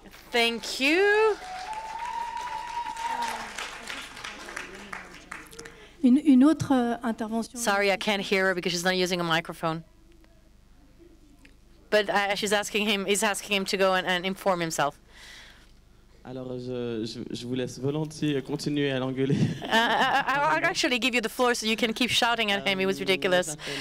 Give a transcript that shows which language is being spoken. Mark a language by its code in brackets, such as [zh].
[en] Thank you. [fr] Une autre intervention. [en] Sorry, I can't hear her because she's not using a microphone. But she's asking him. He's asking him to go and inform himself. [fr] Alors, je vous laisse volontiers continuer à l'engueuler. [en] I'll actually give you the floor so you can keep shouting at him. It was ridiculous.